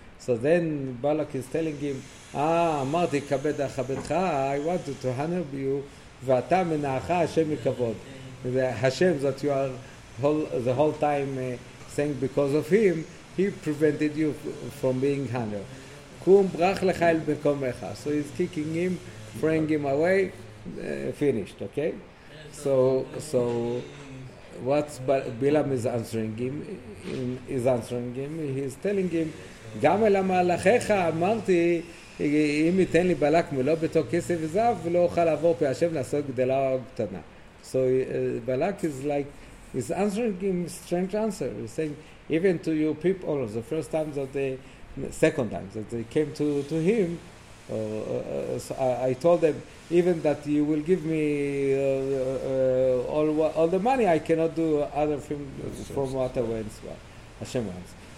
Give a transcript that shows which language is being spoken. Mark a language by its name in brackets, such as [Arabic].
[English] So then Balak is telling him, [Hebrew] אמרתי כבד אחבדך, [English] I wanted to honor you, [Hebrew] ואתה מנעך השם מכבוד. [English] השם that you are the whole time saying because of him, he prevented you from being honored. [Hebrew] קום ברח לך אל מקומך. [English] So he's kicking him, throwing him away, finished, okay? So what Bilam is answering him, he's telling him, [Hebrew] גם אל המהלכיך אמרתי, אם ייתן לי בלק מלא בתוך כסף וזהב, ולא אוכל לעבור פי השם לעשות גדלה או קטנה. [English] So בלק is like, he's answering him a strange answer. He's saying, even to you people, the first time that they, second time that they came to him, so I told them, even that you will give me all the money, I cannot do other things from what I want, Hashem wants.